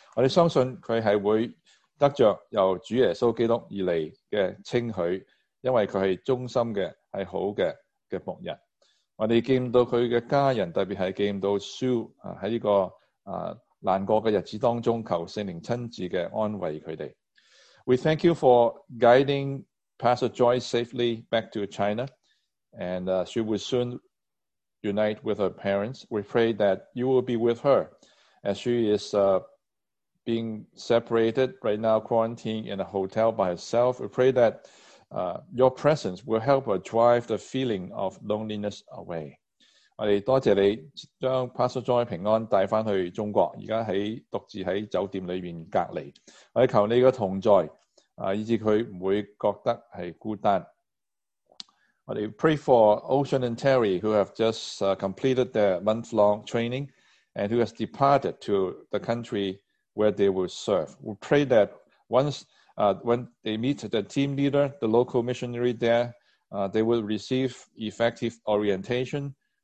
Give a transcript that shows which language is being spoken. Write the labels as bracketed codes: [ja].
[zh] 我们相信他是会得着由主耶稣基督以来的称许，因为他是忠心的是好 的仆人。我们见到他的家人，特别是见到 Sue, 在这个难过的日子当中求圣灵亲自的安慰他们。 [en] We thank you for guiding Pastor Joy safely back to China, and she will soon unite with her parents. We pray that you will be with her as she is being separated right now, quarantined in a hotel by herself. We pray thatyour presence will help her drive the feeling of loneliness away. [zh] 我们多谢你将 Pastor Joy 平安带回去中国，现在独自在酒店里面隔离。我们求你的同在，以致他不会觉得是孤单。 [en] But we pray for Ocean and Terry, who have just completed their month-long training and who has departed to the country where they will serve. We pray that once when they meet the team leader, the local missionary there, they will receive effective orientation.